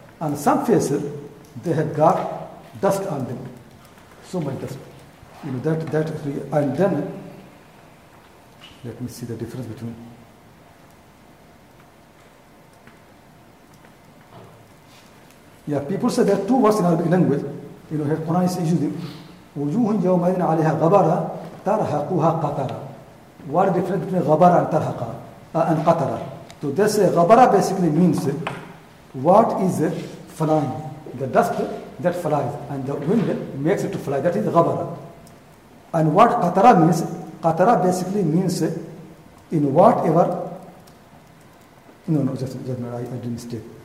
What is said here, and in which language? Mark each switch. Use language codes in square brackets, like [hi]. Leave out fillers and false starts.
[en] And some faces, they had got dust on them. So much dust. You know, that is real. And then, let me see the difference between. Yeah, people say there are two words in Arabic language. You know, here Quran is using [ar] وجوه يومئذ عليها غبرة ترهقها قطرة. [en] What is the difference between غبرة and ترهقها and قطرة? So they say غبرة basically means what is flying. The dust that flies and the wind makes it to fly. That is غبرة. And what qatara means, qatara basically means in whatever, I didn't mistake.